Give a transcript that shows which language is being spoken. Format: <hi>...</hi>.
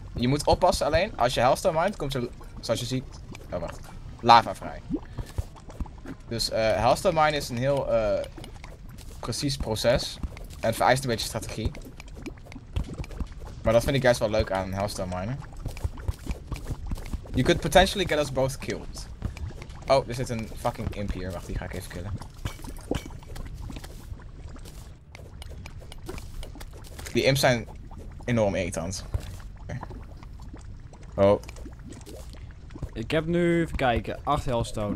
<nl>Je moet oppassen alleen, als je hellstone mined, komt er, zoals je ziet, oh wacht, lava vrij. Dus hellstone mine is een heel precies proces en vereist een beetje strategie. Maar dat vind ik juist wel leuk aan hellstone minen.</nl> <en>You could potentially get us both killed.</en> <nl>Oh, er zit een fucking imp hier, wacht, die ga ik even killen. Die imps zijn enorm irritant. Oh. Ik heb nu, even kijken, 8 hellstone.</nl>